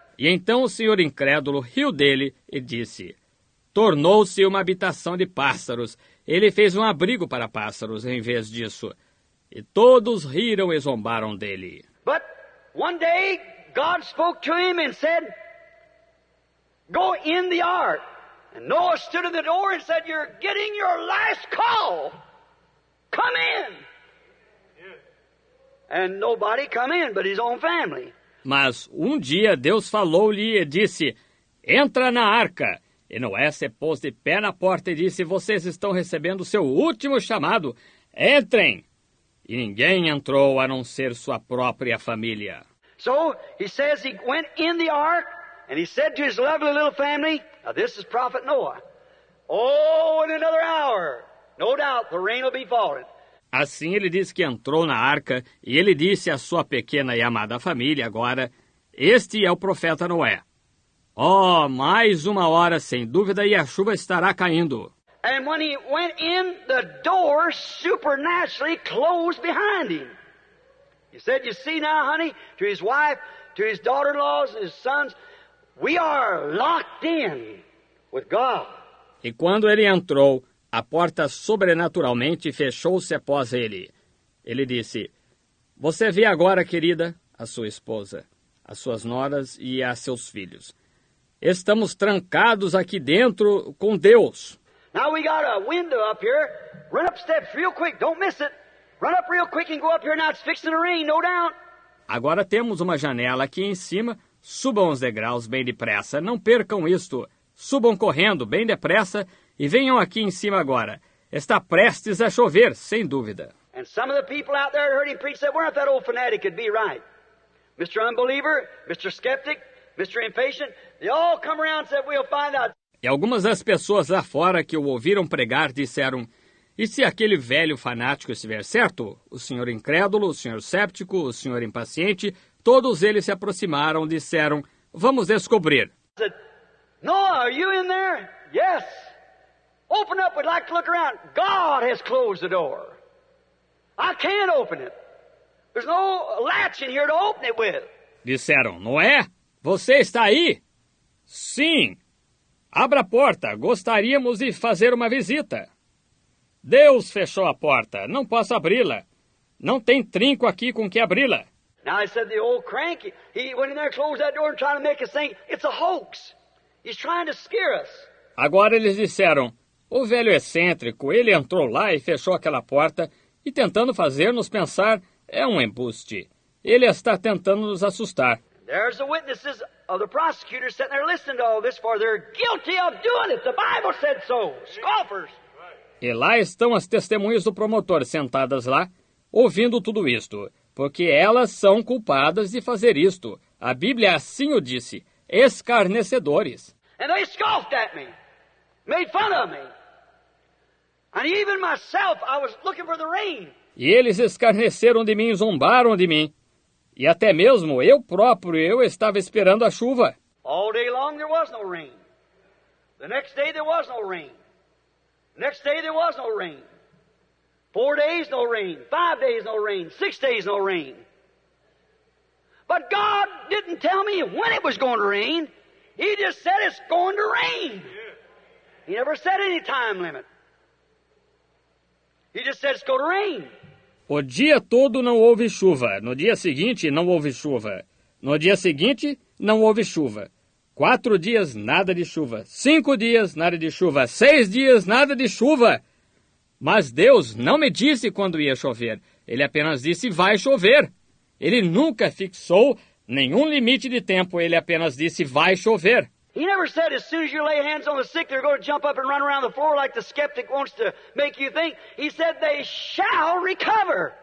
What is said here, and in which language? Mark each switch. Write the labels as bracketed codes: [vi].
[pt] E então o senhor incrédulo riu dele e disse, tornou-se uma habitação de pássaros. Ele fez um abrigo para pássaros em vez disso. E todos riram e zombaram dele. [en] But one day God spoke to him and said, go in the ark. And Noah stood in the door and said, you're getting your last call. Come in. And nobody come in but his own family. [pt] Mas um dia Deus falou-lhe e disse, entra na arca. E Noé se pôs de pé na porta e disse, vocês estão recebendo o seu último chamado. Entrem. E ninguém entrou a não ser sua própria família. [en] So he says he went in the ark and he said to his lovely little family, now this is Prophet Noah. Oh, in another hour, no doubt, the rain will be falling. [pt] Assim ele disse que entrou na arca, e ele disse à sua pequena e amada família agora, este é o profeta Noé. Oh, mais uma hora, sem dúvida, e a chuva estará caindo. [en] And when he went in, the door supernaturally closed behind him. He said, you see now, honey, to his wife, to his daughter-in-laws, his sons, we are locked in with God. [pt] E quando ele entrou, a porta sobrenaturalmente fechou-se após ele. Ele disse, você vê agora, querida, a sua esposa, as suas noras e a seus filhos. Estamos trancados aqui dentro com Deus. [en] Now we got a window up here. Run up steps real quick. Don't miss it. Run up real quick and go up here now. It's fixing to rain, no doubt. [pt] Agora temos uma janela aqui em cima. Subam os degraus bem depressa. Não percam isto. Subam correndo bem depressa e venham aqui em cima agora. Está prestes a chover, sem dúvida. [en] And some of the people out there heard him preach that weren't that old fanatic could be right. Mr. Unbeliever, Mr. Skeptic, Mr. Impatient, they all come around and said we'll find out. [pt] E algumas das pessoas lá fora que o ouviram pregar disseram, e se aquele velho fanático estiver certo? O senhor incrédulo, o senhor séptico, o senhor impaciente, todos eles se aproximaram e disseram, vamos descobrir. [en] Noah, are you in there? Yes. Open up, we'd like to look around. God has closed the door. I can't open it. There's no latch in here to open it with. [pt] Disseram, Noé, você está aí? Sim. Abra a porta, gostaríamos de fazer uma visita. Deus fechou a porta, não posso abri-la. Não tem trinco aqui com que abri-la. [en] Now I said the old crank, he went in there, closed that door and tried to make us think it's a hoax. He's trying to scare us. [pt] Agora eles disseram, o velho excêntrico, ele entrou lá e fechou aquela porta e tentando fazer-nos pensar, é um embuste. Ele está tentando nos assustar. [en] There's the witnesses of the prosecutors sitting there listening to all this, for they're guilty of doing it. The Bible said so. Scoffers. [pt] E lá estão as testemunhas do promotor sentadas lá, ouvindo tudo isto, porque elas são culpadas de fazer isto. A Bíblia assim o disse, escarnecedores. [en] And they scoffed at me, made fun of me. And even myself, I was looking for the rain. [pt] E eles escarneceram de mim, zombaram de mim. E até mesmo eu próprio, eu estava esperando a chuva. [en] All day long there was no rain. The next day there was no rain. Next day there was no rain. 4 days no rain. 5 days no rain. 6 days no rain. But God didn't tell me when it was going to rain. He just said it's going to rain. He never said any time limit. He just said it's going to rain. [pt] O dia todo não houve chuva. No dia seguinte não houve chuva. No dia seguinte não houve chuva. 4 dias, nada de chuva. 5 dias, nada de chuva. 6 dias, nada de chuva. Mas Deus não me disse quando ia chover. Ele apenas disse, vai chover. Ele nunca fixou nenhum limite de tempo. Ele apenas disse, vai chover. [en] He never said, as soon as you lay hands on the sick, they're going to jump up and run around the floor like the skeptic wants to make you think. He said, they shall recover.